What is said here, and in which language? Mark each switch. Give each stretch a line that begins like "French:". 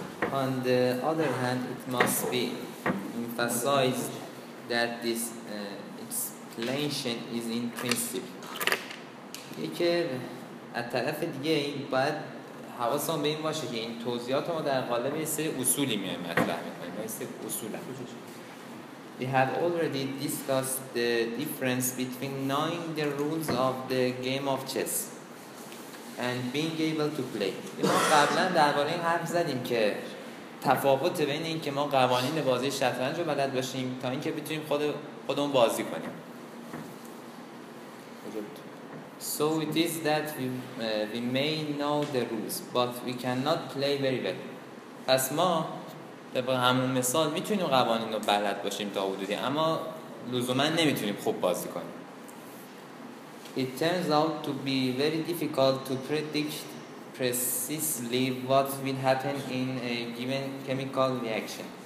English: On the other hand, it must be emphasized that this explanation is in principle.
Persian: یکی از طرف دیگه این باید حواسمون به این باشه که این توضیحات ما در قالب یه سری اصولی میایم مطرح میکنیم. یه سری اصول.
English: We have already discussed the difference between knowing the rules of the game of chess and being able to play.
Persian: ما قبلا درباره این حرف زدیم که تفاوت بین این که ما قوانین بازی شطرنج رو بلد باشیم تا اینکه بتونیم خودمون بازی کنیم.
English: So it is that we may know the rules but we cannot play very well.
Persian: پس ما طبق همون مثال میتونیم قوانین رو بلد باشیم تا حدودی اما لزوما نمیتونیم خوب بازی کنیم.
English: It turns out to be very difficult to predict precisely what will happen in a given chemical reaction.